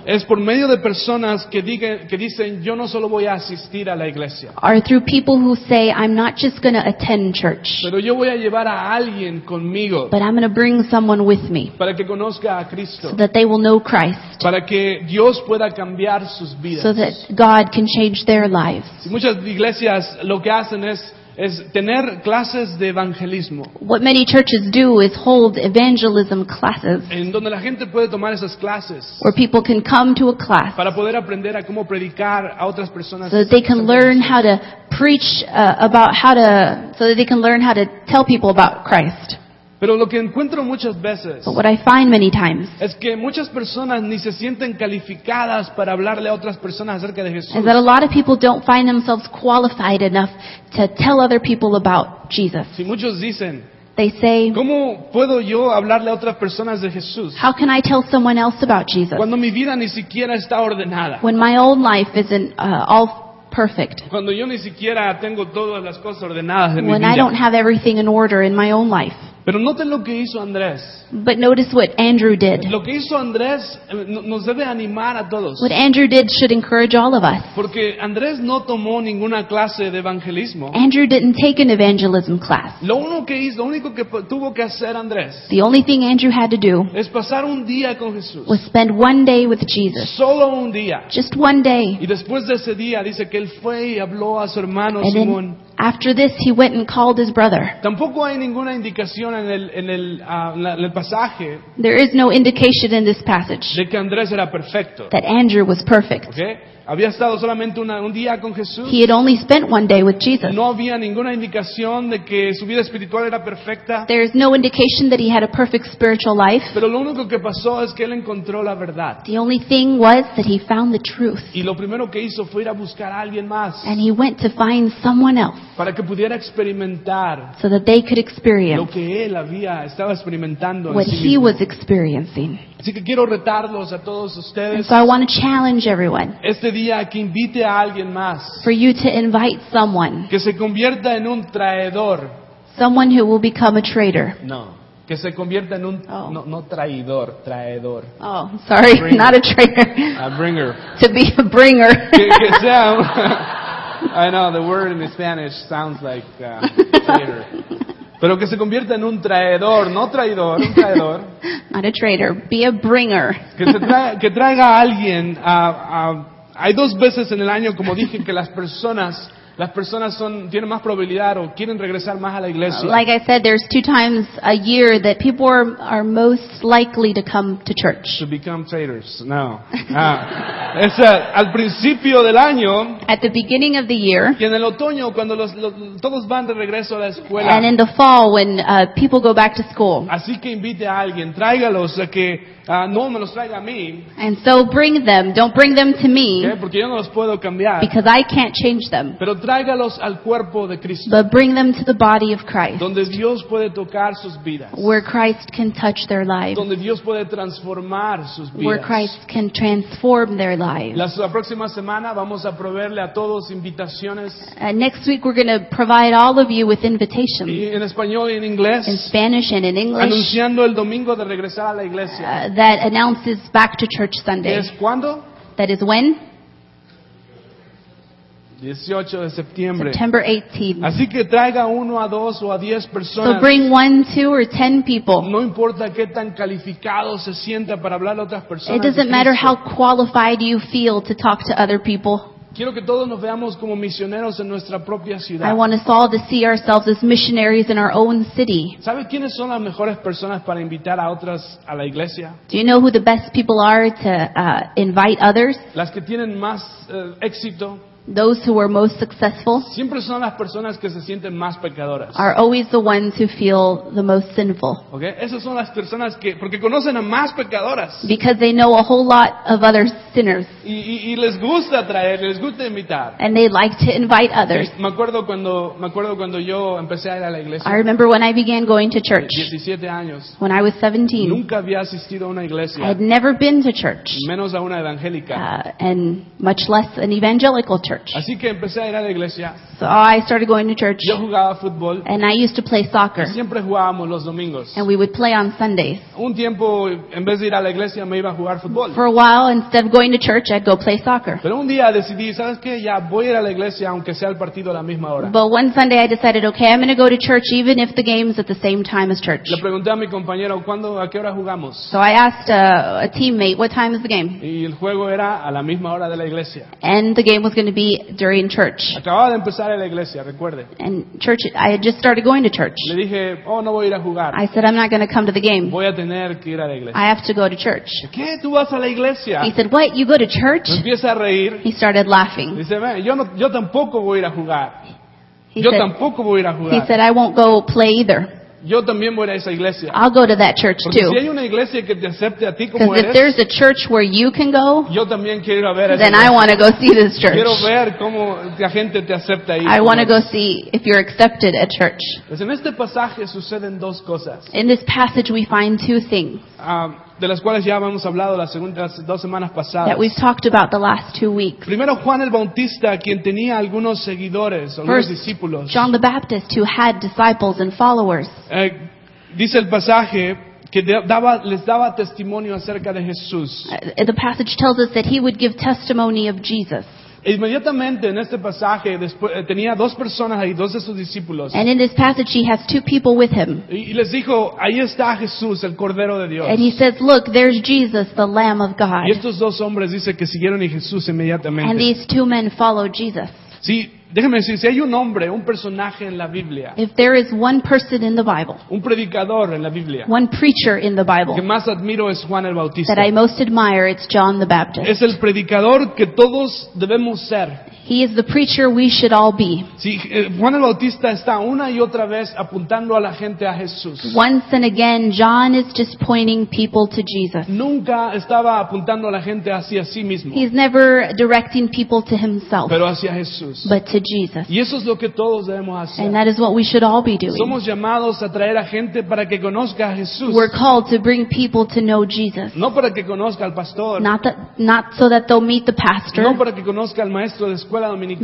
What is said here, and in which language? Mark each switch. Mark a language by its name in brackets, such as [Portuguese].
[Spanish] Es por medio de personas que dicen, yo no solo voy a asistir a la iglesia. [English] Are through people who say, I'm not just going to attend church, [Spanish] pero yo voy a llevar a alguien conmigo, [English] but I'm going to bring someone with me, [Spanish] para que conozca a Cristo, [English] so that they will know Christ, [Spanish] para que Dios pueda cambiar sus vidas, [English] so that God can change their lives. [Spanish] Y muchas iglesias lo que hacen es tener clases de evangelismo. [English] What many churches do is hold evangelism classes. [Spanish] En donde la gente puede tomar esas clases. [English] Where people can come to a class. [Spanish] Para poder aprender a cómo predicar a otras personas. [English] So that they can learn how to preach about how to, so that they can learn how to tell people about Christ. [Spanish] Pero lo que encuentro muchas veces, [English] but what I find many times, [Spanish] es que muchas personas ni se sienten calificadas para hablarle a otras personas acerca de Jesús. [English] Is that a lot of people don't find themselves qualified enough to tell other people about Jesus. [Spanish] Si muchos dicen, [English] they say, [Spanish] ¿cómo puedo yo hablarle a otras personas de Jesús? [English] How can I tell someone else about Jesus? [Spanish] Cuando mi vida ni siquiera está ordenada. [English] When my own life isn't all perfect. [Spanish] Cuando yo ni siquiera tengo todas las cosas ordenadas en mi vida. [English] When I don't have everything in order in my own life. [Spanish] Pero noten lo que hizo Andrés. [English] But notice what Andrew did. [Spanish] Lo que hizo Andrés nos debe animar a todos. [English] What Andrew did should encourage all of us. [Spanish] Porque Andrés no tomó ninguna clase de evangelismo. [English] Andrew didn't take an evangelism class. [Spanish] Lo único que tuvo que hacer Andrés. [English] The only thing Andrew had to do. [Spanish] Es pasar un día con Jesús. [English] Was spend one day with Jesus. [Spanish] Solo un día. [English] Just one day. [Spanish] Y después de ese día dice que él fue y habló a su hermano Simón. [English] After this, he went and called his brother. [Spanish] Tampoco hay ninguna indicación en el pasaje. [English] There is no indication in this passage. [Spanish] De que Andrés era perfecto. [English] That Andrew was perfect. [Spanish] Okay. Había estado solamente un día con Jesús. [English] He had only spent one day with Jesus. [Spanish] No había ninguna indicación de que su vida espiritual era perfecta. [English] There is no indication that he had a perfect spiritual life. [Spanish] Pero lo único que pasó es que él encontró la verdad. [English] The only thing was that he found the truth. [Spanish] Y lo primero que hizo fue ir a buscar a alguien más. [English] And he went to find someone else. [Spanish] Para que pudiera experimentar. [English] So that they could experience. [Spanish] Lo que él había estado experimentando. [English] What [Spanish] en sí [English] he [Spanish] mismo. [English] Was experiencing. [Spanish] Así que quiero retarlos a todos ustedes. [English] And so I want to challenge everyone. [Spanish] Este día que invite a alguien más. [English] For you to invite someone. [Spanish] Que se convierta en un traidor. [English] Someone who will become a traitor. [Spanish] No. Que se convierta en un traidor. [English] Oh, sorry, bringer. Not a traitor. A bringer. To be a bringer. [Spanish] Que sea. [English] I know the word in Spanish sounds like traitor. [Spanish] Pero que se convierta en un traidor, no traidor, un traidor. [English] Not a traitor, be a bringer. [Spanish] Que traiga a alguien. Hay dos veces en el año, como dije, que las personas tienen más probabilidad o quieren regresar más a la iglesia. [English] Like I said, there's two times a year that people are most likely to come to church. To become traitors, no. [Spanish] Es al principio del año. [English] At the beginning of the year. [Spanish] Y en el otoño, cuando todos van de regreso a la escuela. [English] And in the fall, when people go back to school. [Spanish] Así que invite a alguien, tráigalos a que... no me los traiga a mí. [English] And so bring them. Don't bring them to me. [Spanish] ¿Qué? Porque yo no los puedo cambiar. [English] Because I can't change them. [Spanish] Pero tráigalos al cuerpo de Cristo. [English] But bring them to the body of Christ. [Spanish] Donde Dios puede tocar sus vidas. [English] Where Christ can touch their lives. [Spanish] Donde Dios puede transformar sus vidas. [English] Where Christ can transform their lives. [Spanish] La próxima semana vamos a proveerle a todos invitaciones. [English] Next week we're going to provide all of you with invitations. [Spanish] En español y en inglés. [English] In Spanish and in English. [Spanish] Anunciando el domingo de regresar a la iglesia. [English] That announces back to church Sunday. [Spanish] ¿Es cuándo? [English] That is when? [Spanish] 18 de septiembre. [English] September 18th. [Spanish] Así que traiga uno, a dos o a diez personas. [English] So bring one, two, or ten people. [Spanish] No importa qué tan calificado se sienta para hablar a otras personas. [English] It doesn't matter how qualified you feel to talk to other people. [Spanish] Quiero que todos nos veamos como misioneros en nuestra propia ciudad. [English] I want us all to see ourselves as missionaries in our own city. [Spanish] ¿Sabes quiénes son las mejores personas para invitar a otras a la iglesia? [English] Do you know who the best people are to invite others? [Spanish] Las que tienen más éxito. [English] Those who are most successful. [Spanish] Siempre son las personas que se sienten más pecadoras. [English] Are always the ones who feel the most sinful. [Spanish] Okay, esas son las personas que porque conocen a más pecadoras. [English] Because they know a whole lot of other sinners. [Spanish] Y les gusta traer, les gusta invitar. [English] And they like to invite others. Okay. [Spanish] Me acuerdo cuando yo empecé a ir a la iglesia. [English] I remember when I began going to church. [Spanish] 17 años. [English] When I was 17. [Spanish] Nunca había asistido a una iglesia. [English] I had never been to church. [Spanish] Menos a una evangélica. [English] And much less an evangelical church. [Spanish] Así que empecé a ir a la iglesia. [English] So I started going to church. [Spanish] Yo jugaba fútbol. [English] And I used to play soccer. [Spanish] Y siempre jugábamos los domingos. [English] And we would play on Sundays. [Spanish] Un tiempo, en vez de ir a la iglesia, me iba a jugar fútbol. [English] For a while, instead of going to church, I'd go play soccer. [Spanish] Pero un día decidí, ¿sabes qué? Ya voy a ir a la iglesia, aunque sea el partido a la misma hora. [English] But one Sunday I decided, okay, I'm going to go to church even if the game's at the same time as church. [Spanish] Le pregunté a mi compañero, ¿cuándo, a qué hora jugamos? [English] So I asked a teammate, what time is the game? [Spanish] Y el juego era a la misma hora de la iglesia. [English] And the game was going to be during church. [Spanish] Acababa de empezar a la iglesia, recuerde. [English] And church, I had just started going to church. [Spanish] Le dije, oh, no voy a ir a jugar. [English] I said, I'm not going to come to the game. [Spanish] Voy a tener que ir a la iglesia. [English] I have to go to church. [Spanish] ¿Qué? ¿Tú vas a la iglesia? [English] He said, what? You go to church? [Spanish] Me empieza a reír. [English] He started laughing. [Spanish] Dice, yo tampoco voy a ir a jugar. Yo tampoco voy a ir a jugar. [English] He said, I won't go play either. [Spanish] Yo también voy a esa iglesia. [English] I'll go to that church [Spanish] porque [English] too. [Spanish] Si hay una iglesia que te acepte a ti como eres. [English] Because if there's a church where you can go, [Spanish] yo también quiero ir a ver. [English] Then I want to go see this church. [Spanish] Quiero ver cómo la gente te acepta ahí. [English] I want to go see if you're accepted at church. [Spanish] Pues en este pasaje suceden dos cosas. [English] In this passage we find two things. [Spanish] De las cuales ya hemos hablado las dos semanas pasadas. [English] That we've talked about the last 2 weeks. [Spanish] Primero Juan el Bautista, quien tenía algunos seguidores, algunos [English] First, [Spanish] discípulos. [English] John the Baptist, who had disciples and followers. [Spanish] Dice el pasaje que les daba testimonio acerca de Jesús. [English] The passage tells us that he would give testimony of Jesus. [Spanish] Inmediatamente en este pasaje tenía dos personas ahí, dos de sus discípulos. [English] And in this passage he has two people with him. [Spanish] Y les dijo, ahí está Jesús, el Cordero de Dios. [English] And he says, look, there's Jesus, the Lamb of God. [Spanish] Y estos dos hombres dice que siguieron a Jesús inmediatamente. [English] And these two men followed Jesus. [Spanish] Sí, déjeme decir, si hay un hombre, un personaje en la Biblia. [English] If there is one person in the Bible. [Spanish] Un predicador en la Biblia. [English] One preacher in the Bible. [Spanish] Que más admiro es Juan el Bautista. [English] That I most admire, it's John the Baptist. [Spanish] Es el predicador que todos debemos ser. [English] He is the preacher we should all be. [Spanish] Sí, Juan el Bautista está una y otra vez apuntando a la gente a Jesús. [English] Once and again, John is just pointing people to Jesus. [Spanish] Nunca estaba apuntando a la gente hacia sí mismo. [English] He's never directing people to himself. [Spanish] Pero hacia Jesús. [English] But to Jesus. [Spanish] Y eso es lo que todos debemos hacer. [English] And that is what we should all be doing. [Spanish] Somos llamados a traer a gente para que conozca a Jesús. [English] We're called to bring people to know Jesus. [Spanish] No para que conozca al pastor. [English] Not so that they'll meet the pastor. [Spanish] No para que conozca al maestro de escuela dominical.